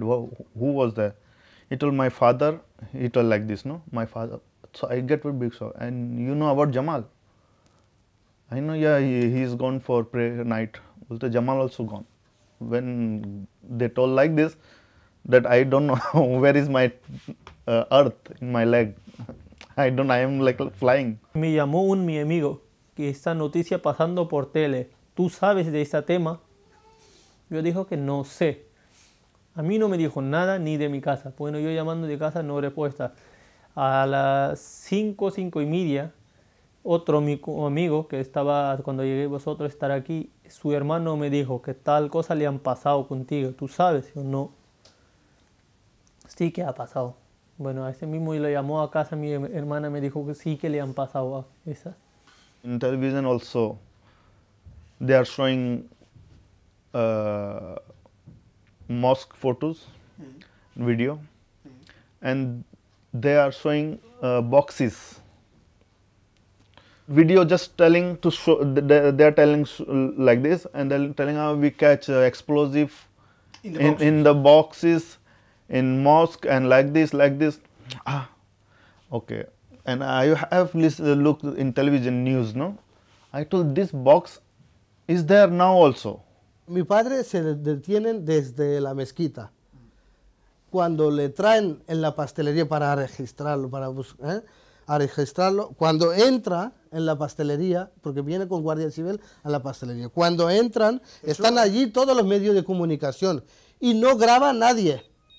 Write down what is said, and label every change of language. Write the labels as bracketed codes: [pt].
[en] Who was there? He told my father. He told like this, no? My father. So I get very big shock. And you know about Jamal? I know, yeah, he's gone for prayer night. But Jamal also gone. When they told like this, that I don't know where is my earth in my leg. I am like flying. [es] Me llamó un mi amigo que esta noticia pasando por tele. ¿Tú sabes de este tema? Yo dijo que no sé. A mí no me dijo nada ni de mi casa. Bueno, yo llamando de casa, no respuesta. A las 5:30, otro amigo que estaba, cuando llegué vosotros a estar aquí, su hermano me dijo que tal cosa le han pasado contigo. ¿Tú sabes? Yo, no. Sí que ha pasado. Bueno, a ese mismo y le llamó a casa mi hermana, me dijo que sí que le han pasado a esa. En televisión [en] also, they are showing mosque photos, video, and they are showing boxes. Video just telling to show, they are telling like this, and they are telling how we catch explosive In the boxes. In mosque and like this, okay. And I have looked in television news, no? I told this box is there now also. [es] Mi padre se detienen desde la mezquita. Cuando le traen en la pastelería para registrarlo, para a registrarlo, cuando entra en la pastelería, porque viene con guardia civil a la pastelería, cuando entran, están allí todos los medios de comunicación y no graba nadie.